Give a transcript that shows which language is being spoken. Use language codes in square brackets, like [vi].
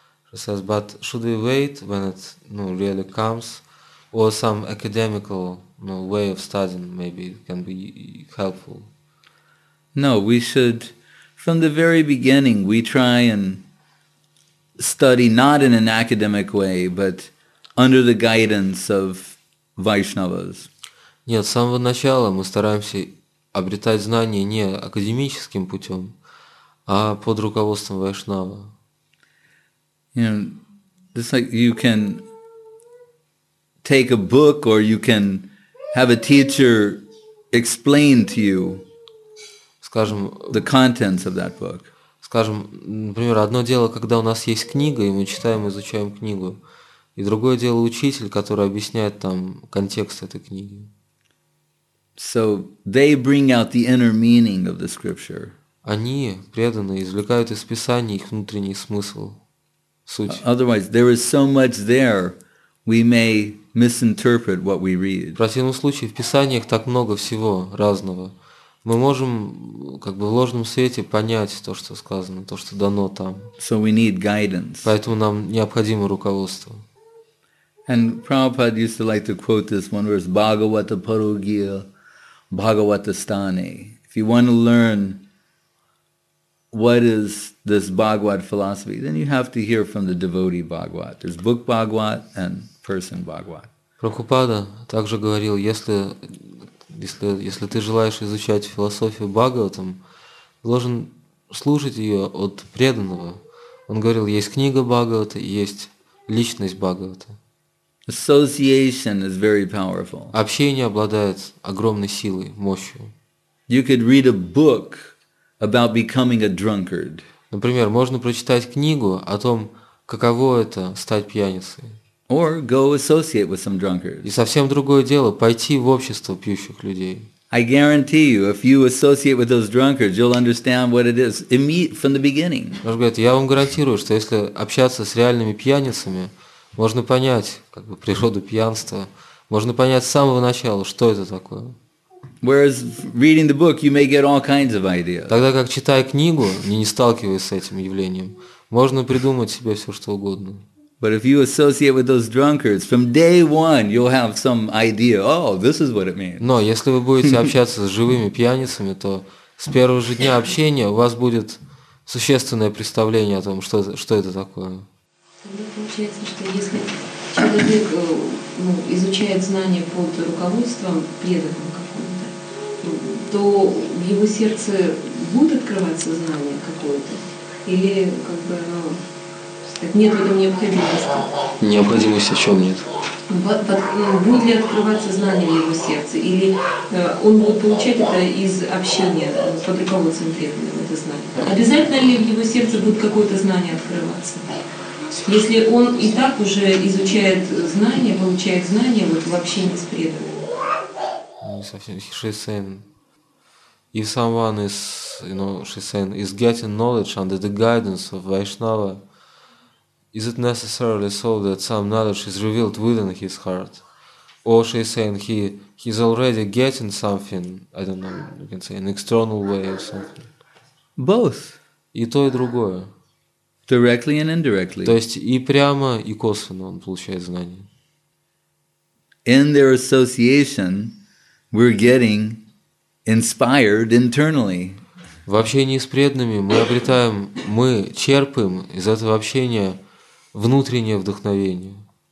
[en] She says, but should we wait when it really comes, or some academical way of studying maybe can be helpful? No, we should From the very beginning, we try and study not in an academic way, but under the guidance of Vaishnavas. [ru] Нет, с самого начала мы стараемся обретать знания не академическим путем, а под руководством Вайшнава. [en] You know, just like you can take a book or you can have a teacher explain to you the contents of that book. [ru] Скажем, например, одно дело, когда у нас есть книга, и мы читаем, изучаем книгу, и другое дело учитель, который объясняет там контекст этой книги. [en] So they bring out the inner meaning of the scripture. [ru] Они, преданные, извлекают из Писания их внутренний смысл, суть. [en] Otherwise, there is so much there, we may misinterpret what we read. [ru] В противном случае, в Писаниях так много всего разного. Мы можем, как бы в ложном свете, понять то, что сказано, то, что дано там. [en] So we need guidance. [ru] Поэтому нам необходимо руководство. [en] And Prabhupada used to like to quote this one verse, Bhagavata Parugya, Bhagavata Stane. If you want to learn what is this Bhagavad philosophy, then you have to hear from the devotee Bhagavat. There's book Bhagavat and person Bhagavat. [ru] Прабхупада также говорил, если ты желаешь изучать философию Бхагаватам, должен слушать ее от преданного. Он говорил, есть книга Бхагавата, есть личность Бхагавата. [en] Association is very powerful. [ru] Общение обладает огромной силой, мощью. [en] You could read a book about becoming a drunkard. [ru] Например, можно прочитать книгу о том, каково это стать пьяницей. [en] Or go associate with some drunkards. [ru] И совсем другое дело пойти в общество пьющих людей. [en] I guarantee you, if you associate with those drunkards, you'll understand what it is from the beginning. [ru] Я вам гарантирую, что если общаться с реальными пьяницами, можно понять как бы природу пьянства, можно понять с самого начала, что это такое. [en] Whereas reading the book, you may get all kinds of ideas. [ru] Тогда как читая книгу, не сталкиваясь с этим явлением, можно придумать себе все что угодно. [en] But if you associate with those drunkards from day one, you'll have some idea. Oh, this is what it means. [ru] Но если вы будете общаться с живыми пьяницами, то с первого же дня общения у вас будет существенное представление о том, что это такое. Тогда получается, что если человек изучает знания под руководством преданного какого-то, то в его сердце будет открываться знание какое-то, или как бы оно. Нет в этом необходимости. Необходимости в чем нет? Будет ли открываться знание в его сердце? Или он будет получать это из общения под руководством преданного, это знание? Обязательно ли в его сердце будет какое-то знание открываться? Если он и так уже изучает знания, получает знания вот, в общении с преданным. Не совсем. Шисен. [en] If someone is, you know, Шисен, is getting knowledge under the guidance of Vaishnava, is it necessarily so that some knowledge is revealed within his heart? Or she is saying he's already getting something, I don't know, you can say an external way or something. Both. [ru] И то, и другое. [en] Directly and indirectly. [ru] То есть и прямо, и косвенно он получает знания. [en] In their association, we're getting inspired internally. [ru] В общении с преданными мы обретаем, мы черпаем из этого общения внутреннее вдохновение.